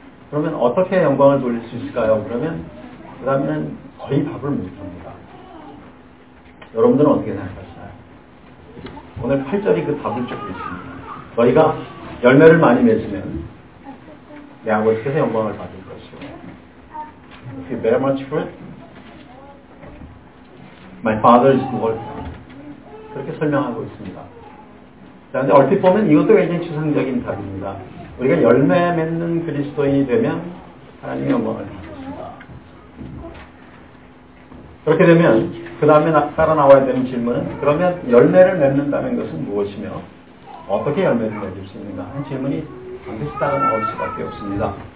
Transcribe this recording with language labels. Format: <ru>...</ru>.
<ko>그러면 어떻게 영광을 돌릴 수 있을까요? 그러면 그 다음에는 거의 답을 못합니다. 여러분들은 어떻게 생각하시나요? 오늘 8절이 그 답을 주고 있습니다. 너희가 열매를 많이 맺으면 내 아버지께서 영광을 받을 것이요.</ko> <en>If you bear much fruit, my father is glorified.</en> <ko>그렇게 설명하고 있습니다. 그런데 얼핏 보면 이것도 굉장히 추상적인 답입니다. 우리가 열매 맺는 그리스도인이 되면 하나님의 영광을 받습니다. 그렇게 되면 그 다음에 따라 나와야 되는 질문은 그러면 열매를 맺는다는 것은 무엇이며 어떻게 열매를 맺을 수 있는가 하는 질문이 반드시 따라 나올 수밖에 없습니다.</ko>